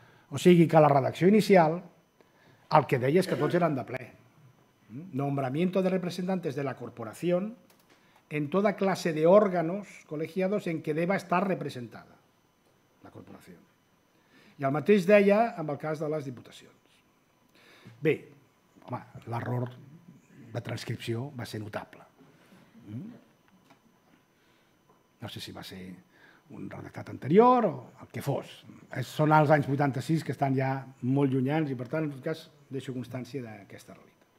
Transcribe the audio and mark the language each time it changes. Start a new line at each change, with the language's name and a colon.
Catalan: O sigui que la redacció inicial, el que deia és que tots eren de ple.
Spanish: Nombramiento de representantes de la corporación en toda clase de órganos colegiados en que deba estar representada la corporación.
Catalan: I el mateix deia amb el cas de les diputacions. Bé, home, l'error de transcripció va ser notable. No sé si va ser un redactat anterior o el que fos. Són els anys 86 que estan ja molt llunyans i, per tant, en tot cas, deixo constància d'aquesta realitat.